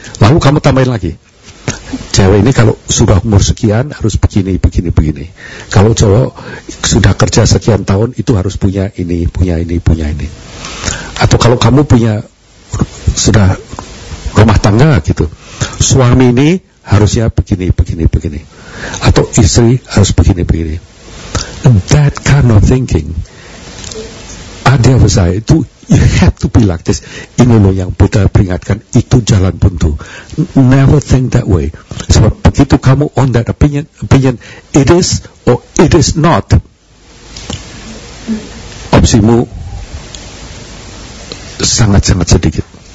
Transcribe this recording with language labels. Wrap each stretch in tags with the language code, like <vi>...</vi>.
<id>Lalu kamu tambahin lagi, cewek ini kalau sudah umur sekian harus begini, begini, begini. Kalau cowok sudah kerja sekian tahun itu harus punya ini, punya ini, punya ini. Atau kalau kamu punya sudah rumah tangga gitu, suami ini harusnya begini, begini, begini. Atau istri harus begini, begini.</id> <en>That kind of thinking, idea for</en> <id>saya itu,</id> <en>you have to be like this.</en> <id>Ini loh yang Buddha peringatkan, itu jalan buntu.</id> <en>Never think that way.</en> <id>Sebab begitu kamu</id> <en>on that opinion, it is or it is not,</en> <id>opsimu sangat-sangat sedikit.</id>